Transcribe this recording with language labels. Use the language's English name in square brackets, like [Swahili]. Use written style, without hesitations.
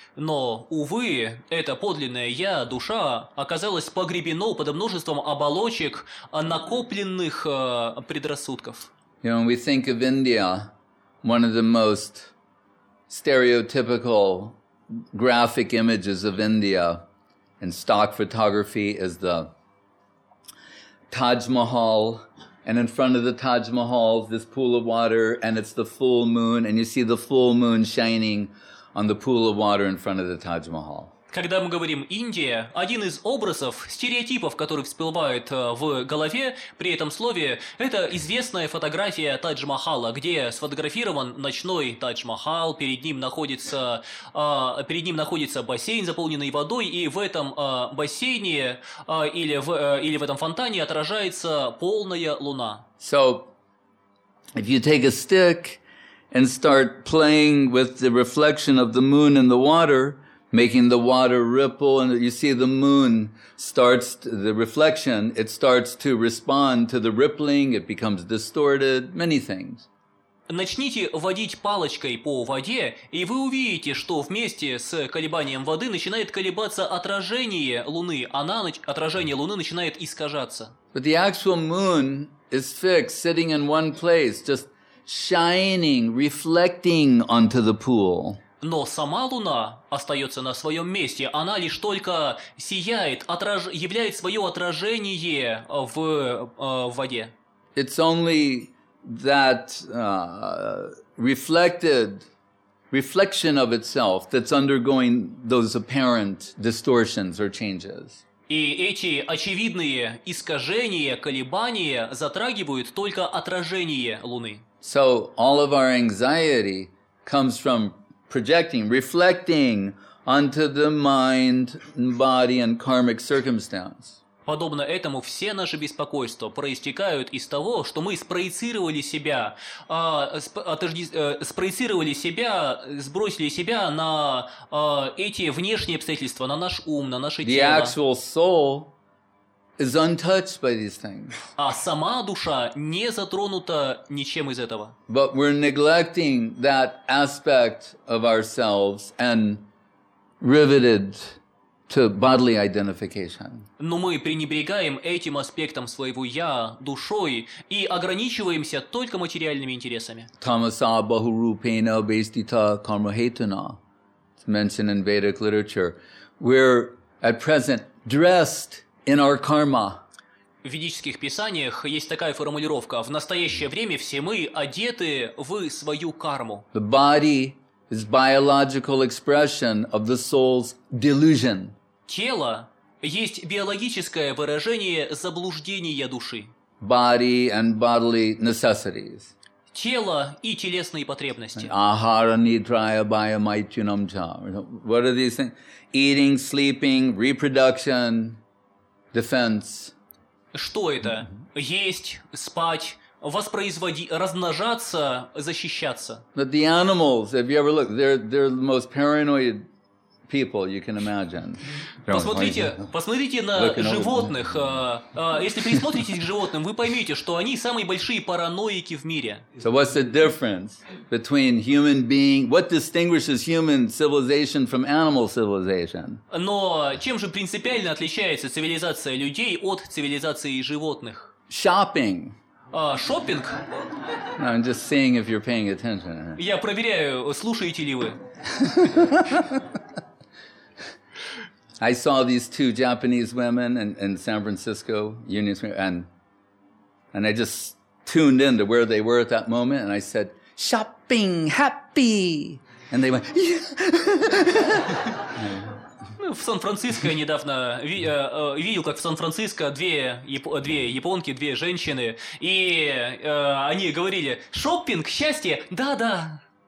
[Russian] Но, увы, это подлинное «я», душа, оказалось погребено под множеством оболочек накопленных предрассудков. [English] You know, when we think of India, one of the most stereotypical graphic images of India... And stock photography is the Taj Mahal, and in front of the Taj Mahal is this pool of water, and it's the full moon, and you see the full moon shining on the pool of water in front of the Taj Mahal. [Russian] Когда мы говорим Индия, один из образов, стереотипов, которые всплывают в голове при этом слове, это известная фотография Тадж-Махала, где сфотографирован ночной Тадж-Махал, перед ним находится бассейн, заполненный водой, и в этом бассейне или в этом фонтане отражается полная луна. [English] So, if you take a stick and start playing with the reflection of the moon in the water, making the water ripple, and you see the moon starts, the reflection, it starts to respond to the rippling, it becomes distorted, many things. [Russian] начните водить палочкой по воде, и вы увидите, что вместе с колебанием воды начинает колебаться отражение Луны, а на ночь отражение Луны начинает искажаться. [English] But the actual moon is fixed, sitting in one place, just shining, reflecting onto the pool. [Russian] Но сама Луна остается на своем месте. Она лишь только сияет, являет свое отражение в воде. [English] It's only that reflection of itself that's undergoing those apparent distortions or changes. [Russian] И эти очевидные искажения, колебания затрагивают только отражение Луны. [English] So all of our anxiety comes from projecting, reflecting onto the mind, body, and karmic circumstance. [Russian] Подобно этому, все наши беспокойства проистекают из того, что мы спроецировали себя, сбросили себя на эти внешние обстоятельства, на наш ум, на наше тело. [English] The actual soul is untouched by these things. [Russian] А сама душа не затронута ничем из этого. [English] But we're neglecting that aspect of ourselves and riveted to bodily identification. [Russian] Но мы пренебрегаем этим аспектом своего я, душой, и ограничиваемся только материальными интересами. [Sanskrit] Tamasa bahurupena bhestita karmahetana. [English] It's mentioned in Vedic literature. We're at present dressed in our karma. [Russian] В ведических писаниях есть такая формулировка: в настоящее время все мы одеты в свою карму. [English] The body is biological expression of the soul's delusion. [Russian] Тело есть биологическое выражение заблуждения души. [English] Body and bodily necessities. [Russian] Тело и телесные потребности. [Sanskrit] Ahara nidraya baya maitunam cha. [English] What are these things? Eating, sleeping, reproduction. Defense. [Russian] Что это? Есть, спать, воспроизводить, размножаться, защищаться. [English] But the animals, if you ever look, they're the most paranoid people you can imagine. [Russian] Посмотрите на животных. Если присмотритесь к животным, вы поймете, что они самые большие параноики в мире. [English] So what's the difference between human being? What distinguishes human civilization from animal civilization? [Russian] Но чем же принципиально отличается цивилизация людей от цивилизации животных? [English] Shopping. [Russian] Шопинг? [English] No, I'm just seeing if you're paying attention. [Russian] Я проверяю, слушаете ли вы. [English] I saw these two Japanese women in San Francisco, Union Square, and I just tuned in to where they were at that moment, and I said, shopping, happy! And they went, yeah! [Russian] В Сан-Франциско я недавно видел, как в Сан-Франциско две японки, две женщины, и они говорили, шопинг, счастье, да-да!